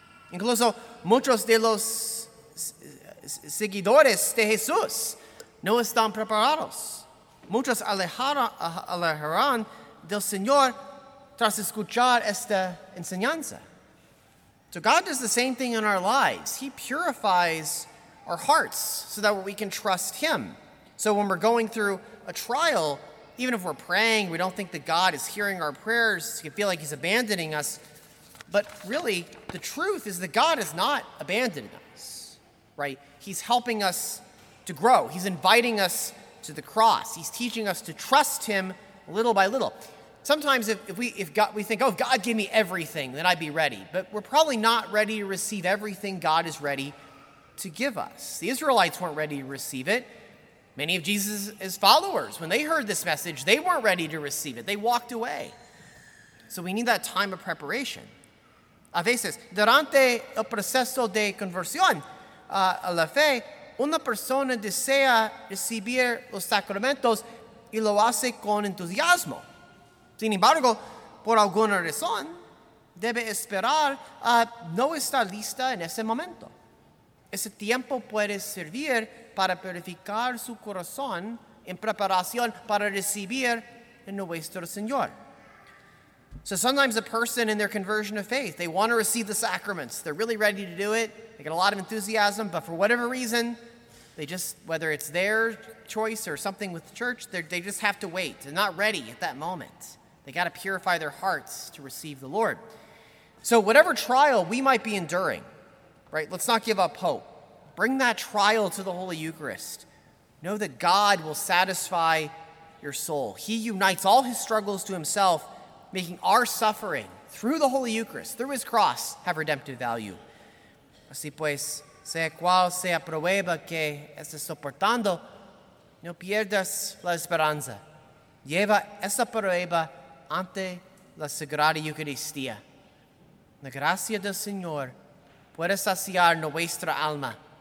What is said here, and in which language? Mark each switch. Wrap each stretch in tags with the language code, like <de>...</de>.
<es>Incluso muchos de los seguidores de Jesús no están preparados. Muchos alejarán del Señor tras escuchar esta enseñanza.</es> <en>So God does the same thing in our lives. He purifies our hearts so that we can trust him. So when we're going through a trial, even if we're praying, we don't think that God is hearing our prayers, we can feel like he's abandoning us. But really, the truth is that God is not abandoning us, right? He's helping us to grow. He's inviting us to the cross. He's teaching us to trust him little by little. Sometimes if God, we think, oh, if God gave me everything, then I'd be ready. But we're probably not ready to receive everything God is ready to give us. The Israelites weren't ready to receive it. Many of Jesus' followers, when they heard this message, they weren't ready to receive it. They walked away. So we need that time of preparation.</en> <es>A veces, durante el proceso de conversión a la fe, una persona desea recibir los sacramentos y lo hace con entusiasmo. Sin embargo, por alguna razón, debe esperar a no estar lista en ese momento. Ese tiempo puede servir para purificar su corazón en preparación para recibir en nuestro Señor.</es> <en>So sometimes a person in their conversion of faith, they want to receive the sacraments. They're really ready to do it. They get a lot of enthusiasm, but for whatever reason, they just, whether it's their choice or something with the church, they just have to wait. They're not ready at that moment. They got to purify their hearts to receive the Lord. So whatever trial we might be enduring, right, let's not give up hope. Bring that trial to the Holy Eucharist. Know that God will satisfy your soul. He unites all his struggles to himself, making our suffering through the Holy Eucharist, through his cross, have redemptive value.</en> <es>Así pues, sea cual sea prueba que estés soportando, no pierdas la esperanza. Lleva esa prueba ante la Sagrada Eucaristía. La gracia del Señor puede saciar nuestra alma.</es>